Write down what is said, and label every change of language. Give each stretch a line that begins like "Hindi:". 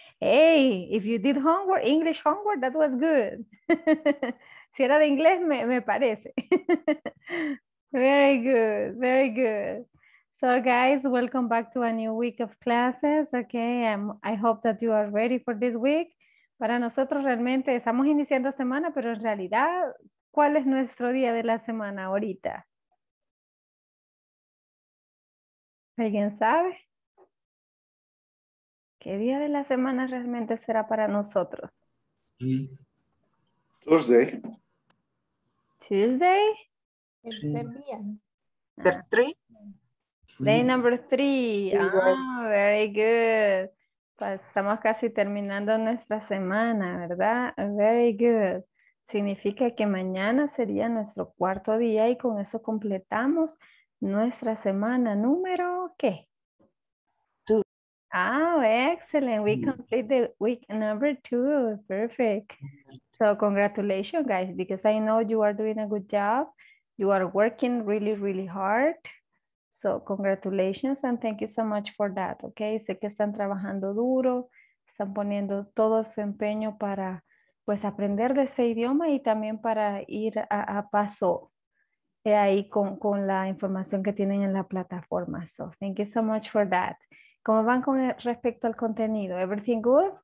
English: Hey, if you did homework, English homework, that was good.
Spanish: Si era de inglés, me parece.
English: Very good. Very good. So guys, welcome back to a new week of classes, okay? I hope that you are ready for this week.
Spanish: Para nosotros realmente estamos iniciando semana, pero en realidad, ¿cuál es nuestro día de la semana ahorita? ¿Alguien sabe? ¿Qué día de la semana realmente será para nosotros?
English: Tuesday. ¿Tuesday?
Spanish: ¿Tercer día? ¿Tres?
English: Day number three.
Spanish: Sí,
English: oh, good. Very good.
Spanish: Estamos casi terminando nuestra semana, ¿verdad?
English: Very good.
Spanish: Significa que mañana sería nuestro cuarto día y con eso completamos nuestra semana número ¿qué?
English: Two. Oh, excellent. We complete the week number two. Perfect. So congratulations, guys, because I know you are doing a good job. You are working really, really hard. So, congratulations and thank you so much for that, okay?
Spanish: Sé que están trabajando duro, están poniendo todo su empeño para, pues, aprender de este idioma y también para ir a paso ahí con la información que tienen en la plataforma.
English: So, thank you so much for that.
Spanish: ¿Cómo van con respecto al contenido?
English: Everything good?